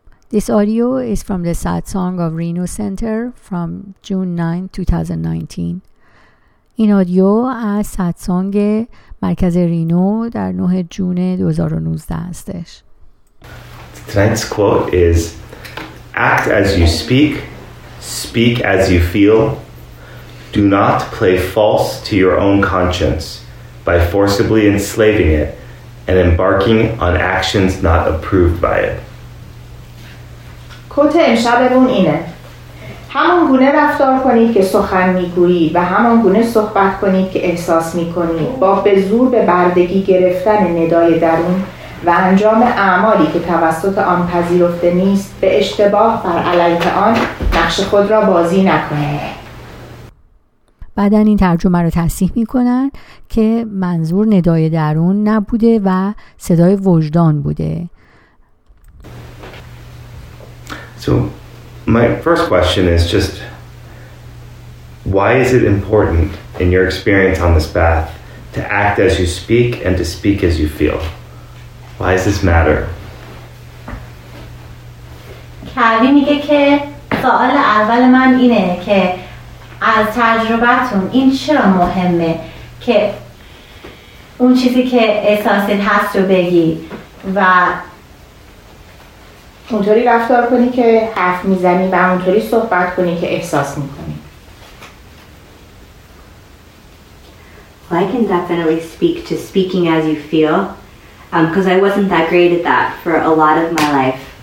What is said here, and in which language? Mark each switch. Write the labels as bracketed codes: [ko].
[en] This audio is from the Satsang of Reno Center from June 9, 2019. [fa] این audio از Satsang مرکز رینو در 9 جون 2019 هستش. [en] Tonight's quote is, act as you speak, speak as you feel, do not play false to your own conscience by forcibly enslaving it and embarking on actions not approved by it. [fa] کوت امشبمون اینه: همون گونه رفتار کنید که سخن میگویید و همون گونه صحبت کنید که احساس میکنید، با به زور به بردگی گرفتن ندای درون و انجام اعمالی که توسط آن پذیرفته نیست، به اشتباه بر علیه آن نقش خود را بازی نکنید. بعدن این ترجمه رو تصحیح میکنن که منظور ندای درون نبوده و صدای وجدان بوده. [en] So my first question is just, why is it important in your experience on this path to act as you speak and to speak as you feel? Why does this matter? [fa] کاوی میگه که سوال اول من اینه که از تجربتون این چرا مهمه که اون چیزی که احساست هست رو بگی و اونطوری رفتار کنی که حرف میزنی و اونطوری صحبت کنی که احساس میکنی. [en] Well, I can definitely speak to speaking as you feel, because I wasn't that great at that for a lot of my life.